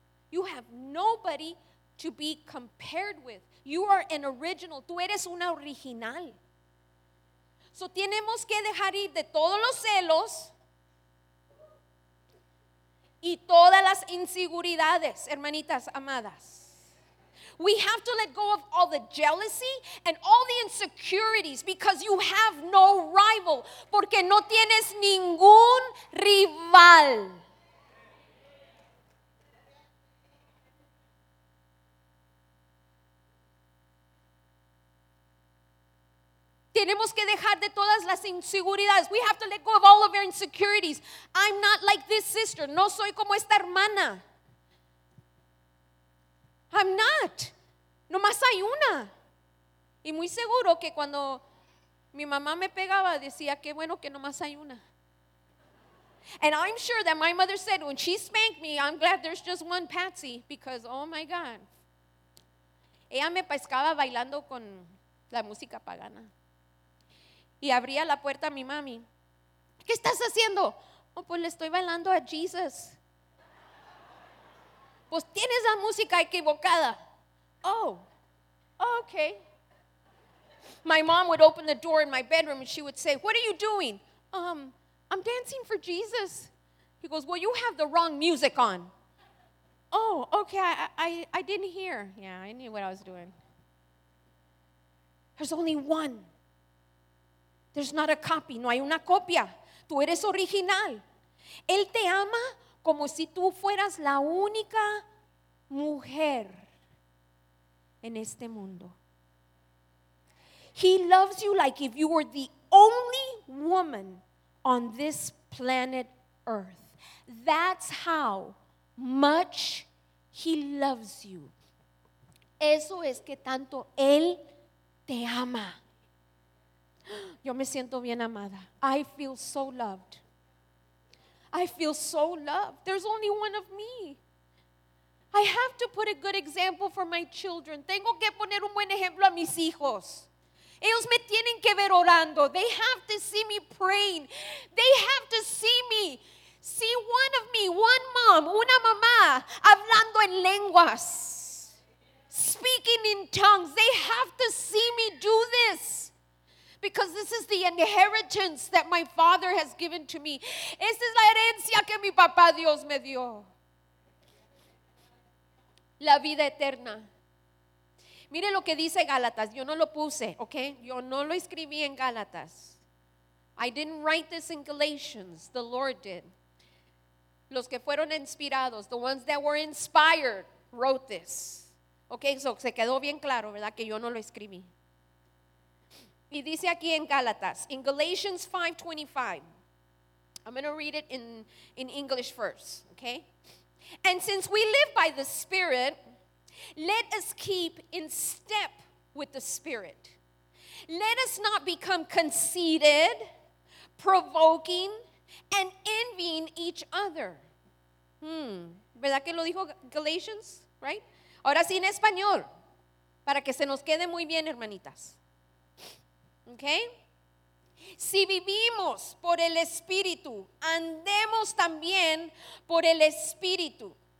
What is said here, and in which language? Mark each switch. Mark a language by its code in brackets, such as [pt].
[en] You have nobody to be compared with. You are an original. [es] Tú eres una original. So tenemos que dejar ir de todos los celos y todas las inseguridades, hermanitas amadas. [en] We have to let go of all the jealousy and all the insecurities because you have no rival. [es] Porque no tienes ningún rival. Tenemos que dejar de todas las inseguridades. [en] We have to let go of all of our insecurities. I'm not like this sister. [es] No soy como esta hermana. [en] I'm not. [es] Nomás hay una. Y muy seguro que cuando mi mamá me pegaba, decía, qué bueno que nomás hay una. [en] And I'm sure that my mother said, when she spanked me, I'm glad there's just one Patsy. Because, oh my God. [es] Ella me pescaba bailando con la música pagana. Y abría la puerta a mi mami. ¿Qué estás haciendo? Oh, pues le estoy bailando a Jesus. Pues tienes la música equivocada. [en] Oh. Oh, okay. My mom would open the door in my bedroom and she would say, "What are you doing?" I'm dancing for Jesus. He goes, "Well, you have the wrong music on." Oh, okay, I didn't hear. Yeah, I knew what I was doing. There's only one. There's not a copy. [es] No hay una copia. Tú eres original. Él te ama como si tú fueras la única mujer en este mundo. [en] He loves you like if you were the only woman on this planet Earth. That's how much He loves you. [es] Eso es que tanto Él te ama. Yo me siento bien amada. [en] I feel so loved. I feel so loved. There's only one of me. I have to put a good example for my children. [es] Tengo que poner un buen ejemplo a mis hijos. Ellos me tienen que ver orando. [en] They have to see me praying. They have to see me. See one of me, one mom, [es] una mamá, hablando en lenguas, [en] speaking in tongues. They have to see me do this because this is the inheritance that my father has given to me. [es] Esta es la herencia que mi papá Dios me dio. La vida eterna. Mire lo que dice Gálatas. Yo no lo puse, okay? Yo no lo escribí en Gálatas. [en] I didn't write this in Galatians. The Lord did. [es] Los que fueron inspirados, [en] the ones that were inspired, wrote this. [es] Okay, so se quedó bien claro, ¿verdad? Que yo no lo escribí. Y dice aquí en Gálatas, [en] in Galatians 5:25. I'm going to read it in English first, okay? And since we live by the Spirit, let us keep in step with the Spirit. Let us not become conceited, provoking, and envying each other. [es] ¿Verdad que lo dijo Galatians? [en] Right? [es] Ahora sí en español, para que se nos quede muy bien, hermanitas. [en] Okay? [es] Si vivimos por el Espíritu, andemos también por el Espíritu.